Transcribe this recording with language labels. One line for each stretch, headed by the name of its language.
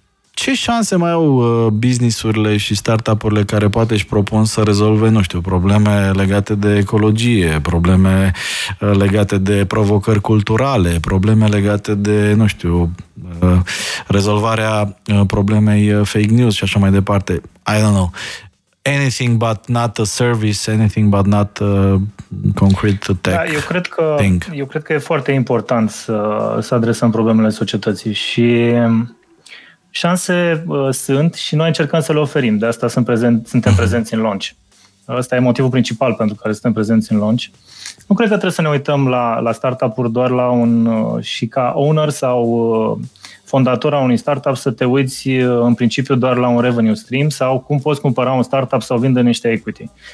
Romanian: Ce șanse mai au business-urile și startup-urile care poate își propun să rezolve, nu știu, probleme legate de ecologie, probleme legate de provocări culturale, probleme legate de, nu știu, rezolvarea problemei fake news și așa mai departe.
English: I don't know. Anything but not a service, anything but not a concrete tech.
Romanian: Da, eu cred că e foarte important să adresăm problemele societății și șanse sunt și noi încercăm să le oferim. De asta suntem prezenți în launch. Ăsta e motivul principal pentru care suntem prezenți în launch. Nu cred că trebuie să ne uităm la startup-uri doar la un și ca owner sau fondator a unui startup să te uiți în principiu doar la un revenue stream sau cum poți cumpăra un startup sau vinde niște equity.